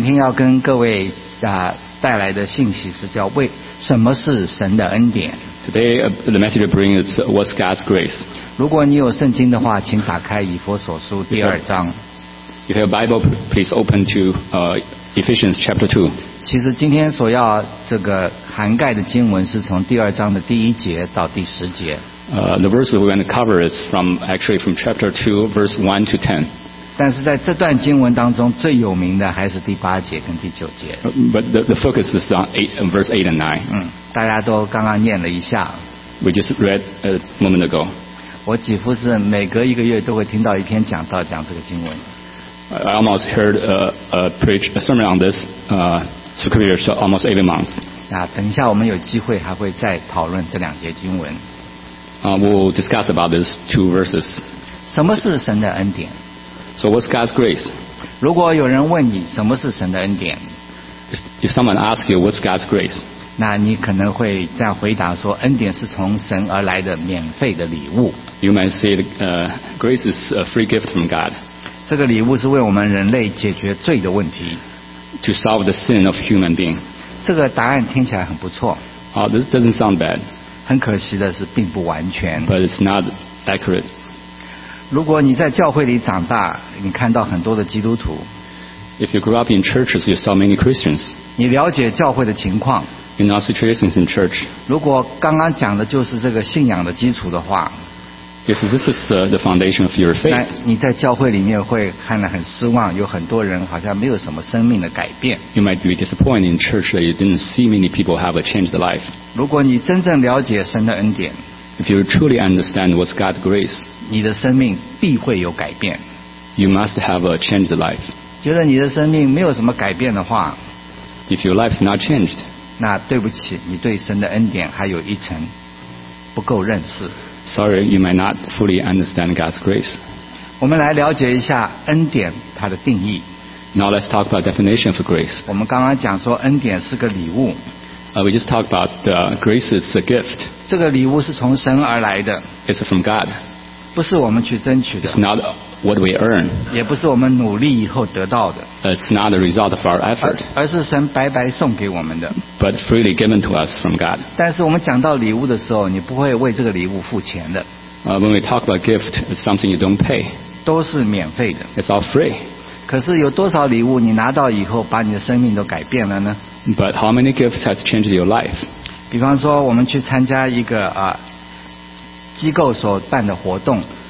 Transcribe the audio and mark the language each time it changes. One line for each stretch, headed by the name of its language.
Chinese: 天要跟各位带来的信息是叫为什么是神的恩典。
English: Today, the message we bring is what's God's grace.
Chinese: 如果你有圣经的话，请打开以弗所书第二章。
English: If you have a Bible, please open to Ephesians chapter 2.
Chinese: 其实今天所要这个涵盖的经文是从第二章的第一节到第十节。
English: The verse we're going to cover is from chapter 2, verse 1 to 10.
Chinese: 但是在这段经文当中最有名的还是第八节跟第九节。
English: But the focus is on verse 8 and 9.
Chinese: 大家都刚刚念了一下。
English: We just read a moment ago.
Chinese: 我几乎是每隔一个月都会听到一篇讲道讲这个经文。
English: I almost heard a sermon on this scripture so almost every month.
Chinese: 等一下我们有机会还会再讨论这两节经文。
English: We'll discuss about these two verses.
Chinese: 什么是神的恩典？
English: So what's God's grace?
Chinese: 如果有人问你什么是神的恩典，
English: If someone asks you what's God's grace,
Chinese: 那你可能会这样回答说，恩典是从神而来的免费的礼物。
English: You might say grace is a free gift from God.
Chinese: 这个礼物是为我们人类解决罪的问题。
English: To solve the sin of human being.
Chinese: 这个答案听起来很不错。
English: This doesn't sound bad.
Chinese: 很可惜的是并不完全。
English: But it's not accurate.
Chinese: 如果你在教会里长大，你看到很多的基督徒。
English: If you grew up in churches, you saw many Christians.
Chinese: 你了解教会的情况。
English: You know situations in church.
Chinese: 如果刚刚讲的就是这个信仰的基础的话。
English: If this is the foundation of your faith.
Chinese: 你在教会里面会看得很失望，有很多人好像没有什么生命的改变。
English: You might be disappointed in church that you didn't see many people have a changed life.
Chinese: 如果你真正了解神的恩典。
English: If you truly understand what's God's grace,
Chinese: 你的生命必会有改变。
English: You must have a changed life.
Chinese: 觉得你的生命没有什么改变的话，
English: If your life's not changed,
Chinese: 那对不起，你对神的恩典还有一层不够认识。
English: Sorry, you might not fully understand God's grace.
Chinese: 我们来了解一下恩典它的定义。
English: Now let's talk about definition for grace.
Chinese: 我们刚刚讲说恩典是个礼物。
English: We just talked about grace is a gift.
Chinese: 这个礼物是从神而来的。
English: It's from God.
Chinese: 不是我们去争取的。
English: It's not what we earn.
Chinese: 也不是我们努力以后得到的。
English: It's not a result of our effort.
Chinese: 而是神白白送给我们的。
English: But freely given to us from God.
Chinese: 但是我们讲到礼物的时候，你不会为这个礼物付钱的。
English: When we talk about gift, it's something you don't pay.
Chinese: 都是免费的。
English: It's all free.
Chinese: 可是有多少礼物你拿到以后，把你的生命都改变了呢？
English: But how many gifts has changed your life?
Chinese: 比方说我们去参加一个机构所办的活动。